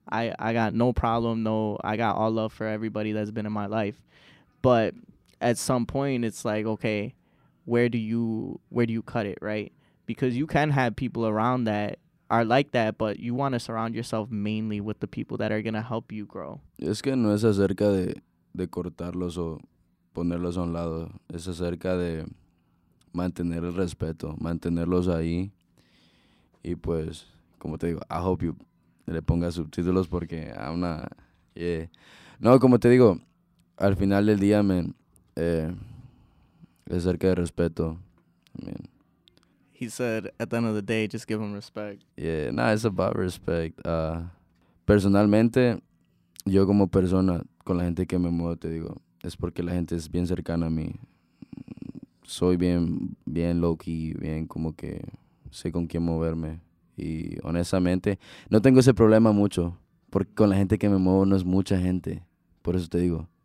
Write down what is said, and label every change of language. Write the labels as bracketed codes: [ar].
[en] I got no problem, no, I got all love for everybody that's been in my life. But at some point, it's like, okay, where do you cut it, right? Because you can have people around that are like that, but you want to surround yourself mainly with the people that are going to help you grow. [es] Es que no es acerca de cortarlos o ponerlos a un lado. Es acerca de mantener el respeto, mantenerlos ahí. Y pues, como te digo, [en] I hope you [es] le pongas subtítulos porque [en] I'm not... Yeah. [es] No, como te digo, al final del día, man... Es acerca de respeto. [en] I mean, he said, at the end of the day, just give him respect. Yeah, nah, it's about respect. [es] Personalmente, yo como persona, con la gente que me muevo, te digo, es porque la gente es bien cercana a mí. Soy bien low-key, bien como que sé con quién moverme. y honestamente no tengo ese problema mucho porque con la gente que me muevo no es mucha gente, por eso te digo.